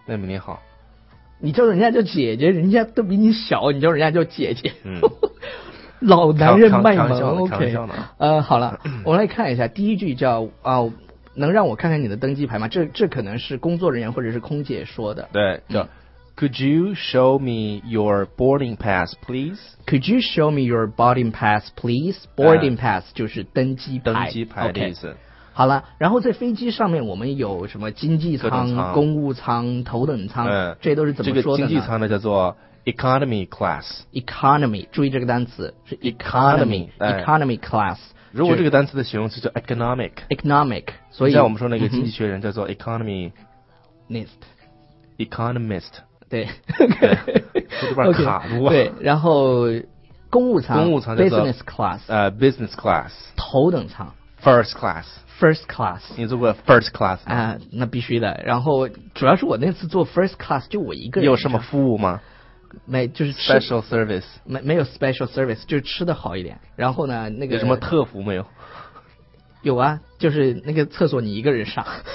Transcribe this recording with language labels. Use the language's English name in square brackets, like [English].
[Chinese] 妹妹你好。你叫人家叫姐姐，人家都比你小，你叫人家叫姐姐。嗯。老男人卖萌 ，OK。好了，咳我们来看一下第一句叫啊。能让我看看你的登机牌吗？这可能是工作人员或者是空姐说的。对，叫。 [English] Could you show me your boarding pass, please? Could you show me your boarding pass, please? Boarding pass [Chinese] 就是登机牌，登机牌的意思。 [English] Okay. [Chinese] 好了，然后在飞机上面我们有什么经济舱、公务舱、头等舱、这都是怎么说的呢？这个经济舱呢叫做 economy class。 economy， 注意这个单词是 economy， economy class。如果这个单词的形容词叫 economic， economic， 所以像我们说那个经济学人叫做 economy [English] nist economist。 [Chinese] 对，说这边卡住、 okay， 对，然后公务舱 business class， [English] business class。 [Chinese] 头等舱 [English] First class， [Chinese] 你坐过 [English] first class [Chinese] 啊？那必须的。然后主要是我那次坐 first class 就我一个人。有什么服务吗？没，就是 [English] special service。 [Chinese] 没有 special service， 就是吃的好一点。然后呢，那个有什么特服没有？有啊，就是那个厕所你一个人上。